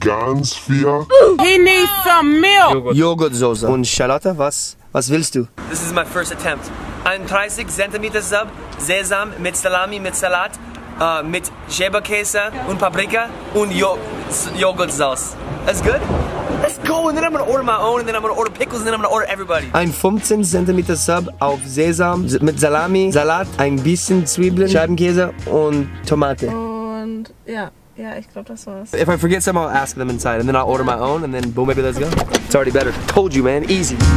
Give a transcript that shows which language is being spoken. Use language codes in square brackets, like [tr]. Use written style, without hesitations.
[de] ganz viel. [en] He needs some milk. [de] Joghurtsoße. Und Charlotte, was willst du? [en] This is my first attempt. [de] 31 cm Sub, Sesam mit Salami, mit Salat, mit Scheibenkäse und Paprika und Joghurtsoße. [en] That's good? Let's go, and then I'm gonna order my own, and then I'm gonna order pickles, and then I'm gonna order everybody. [de] Ein 15 cm Sub auf Sesam mit Salami, Salat, ein bisschen Zwiebeln, Scheibenkäse und Tomate. Und ja, ich glaube, das war's. [en] If I forget some, I'll ask them inside, and then I'll order my own, and then boom, baby, let's go. It's already better. Told you, man. Easy.